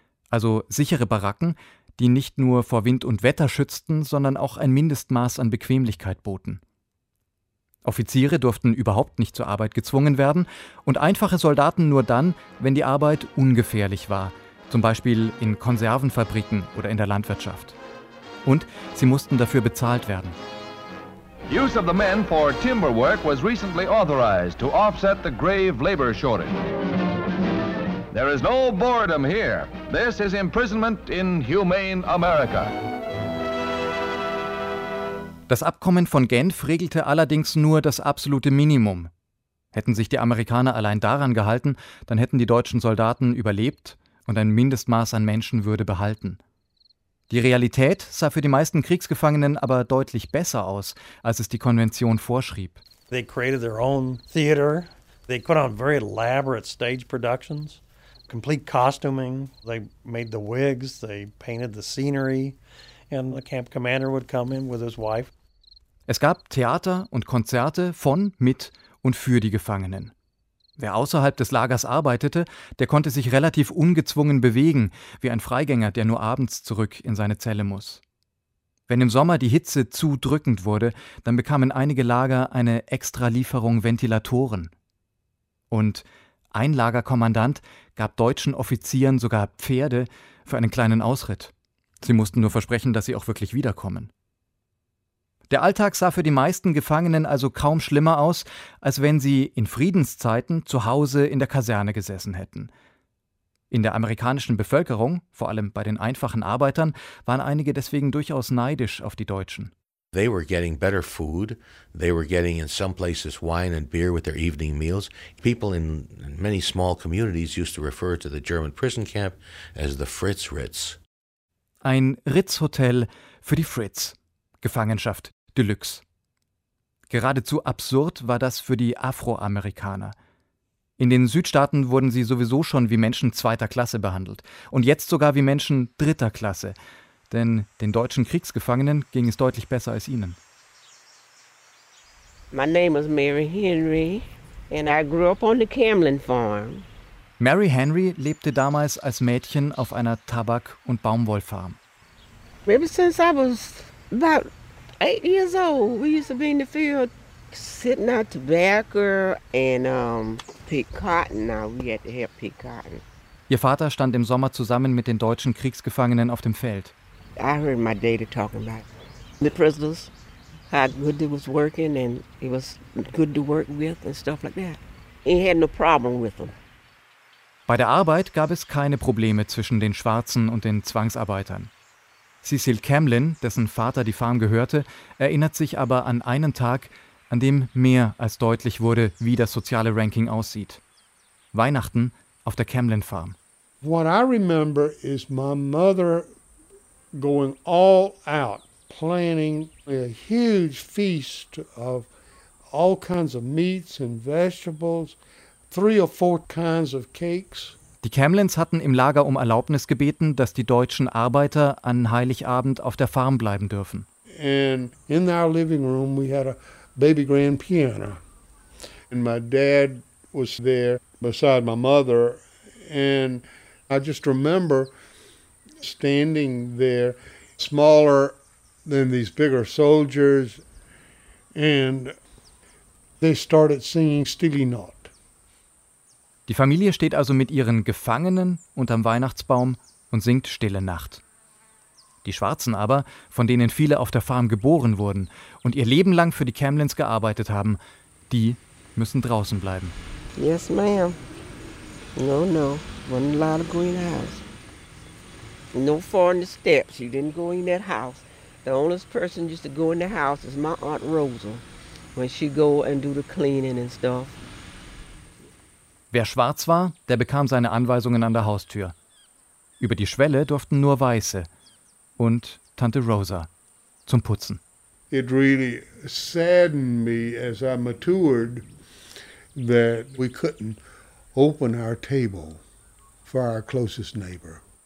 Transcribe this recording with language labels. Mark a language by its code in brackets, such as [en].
[de] Also sichere Baracken, die nicht nur vor Wind und Wetter schützten, sondern auch ein Mindestmaß an Bequemlichkeit boten. Offiziere durften überhaupt nicht zur Arbeit gezwungen werden und einfache Soldaten nur dann, wenn die Arbeit ungefährlich war. Zum Beispiel in Konservenfabriken oder in der Landwirtschaft. Und sie mussten dafür bezahlt werden. [en] Use of the men for timber work was recently authorized to offset the grave labor shortage. There is no boredom here. This is imprisonment in humane America. [de] Das Abkommen von Genf regelte allerdings nur das absolute Minimum. Hätten sich die Amerikaner allein daran gehalten, dann hätten die deutschen Soldaten überlebt und ein Mindestmaß an Menschenwürde behalten. Die Realität sah für die meisten Kriegsgefangenen aber deutlich besser aus, als es die Konvention vorschrieb. [en] They created their own theater. They put on very elaborate stage productions, complete costuming. They made the wigs, they painted the scenery, and the camp commander would come in with his wife. [de] Es gab Theater und Konzerte von, mit und für die Gefangenen. Wer außerhalb des Lagers arbeitete, der konnte sich relativ ungezwungen bewegen, wie ein Freigänger, der nur abends zurück in seine Zelle muss. Wenn im Sommer die Hitze zu drückend wurde, dann bekamen einige Lager eine Extralieferung Ventilatoren. Und ein Lagerkommandant gab deutschen Offizieren sogar Pferde für einen kleinen Ausritt. Sie mussten nur versprechen, dass sie auch wirklich wiederkommen. Der Alltag sah für die meisten Gefangenen also kaum schlimmer aus, als wenn sie in Friedenszeiten zu Hause in der Kaserne gesessen hätten. In der amerikanischen Bevölkerung, vor allem bei den einfachen Arbeitern, waren einige deswegen durchaus neidisch auf die Deutschen. [en] They were getting better food. They were getting in some places wine and beer with their evening meals. People in many small communities used to refer to the German prison camp as the Fritz Ritz. [de] Ein Ritz-Hotel für die Fritz. Gefangenschaft Deluxe. Geradezu absurd war das für die Afroamerikaner. In den Südstaaten wurden sie sowieso schon wie Menschen zweiter Klasse behandelt und jetzt sogar wie Menschen dritter Klasse, denn den deutschen Kriegsgefangenen ging es deutlich besser als ihnen. [en] My name is Mary Henry and I grew up on the Camlin farm. [de] Mary Henry lebte damals als Mädchen auf einer Tabak- und Baumwollfarm. [en] Ever since I was about 8 years old, we used to be in the field sitting out tobacco and pick cotton. Now we had to help pick cotton. [de] Ihr Vater stand im Sommer zusammen mit den deutschen Kriegsgefangenen auf dem Feld. [en] I heard my daddy talking about the prisoners, how good they was working and it was good to work with and stuff like that. He had no problem with them. [de] Bei der Arbeit gab es keine Probleme zwischen den Schwarzen und den Zwangsarbeitern. Cecil Camlin, dessen Vater die Farm gehörte, erinnert sich aber an einen Tag, an dem mehr als deutlich wurde, wie das soziale Ranking aussieht. Weihnachten auf der Camlin Farm. [en] What I remember is my mother going all out planning a huge feast of all kinds of meats and vegetables, 3 or 4 kinds of cakes. [de] Die Camlins hatten im Lager um Erlaubnis gebeten, dass die deutschen Arbeiter an Heiligabend auf der Farm bleiben dürfen. [en] And in our living room we had a baby grand piano. And my dad was there beside my mother, and I just remember standing there, smaller than these bigger soldiers, and they started singing Stille Nacht. [de] Die Familie steht also mit ihren Gefangenen unterm Weihnachtsbaum und singt Stille Nacht. Die Schwarzen aber, von denen viele auf der Farm geboren wurden und ihr Leben lang für die Camlins gearbeitet haben, die müssen draußen bleiben. [en] Yes, ma'am. No, no. Wasn't allowed to go in the house. No foreign steps. You didn't go in that house. The only person used to go in the house is my Aunt Rosa, when she go and do the cleaning and stuff. [de] Wer schwarz war, der bekam seine Anweisungen an der Haustür. Über die Schwelle durften nur Weiße und Tante Rosa zum Putzen. [en] It really saddened me as I matured that we couldn't open our table for our closest neighbor.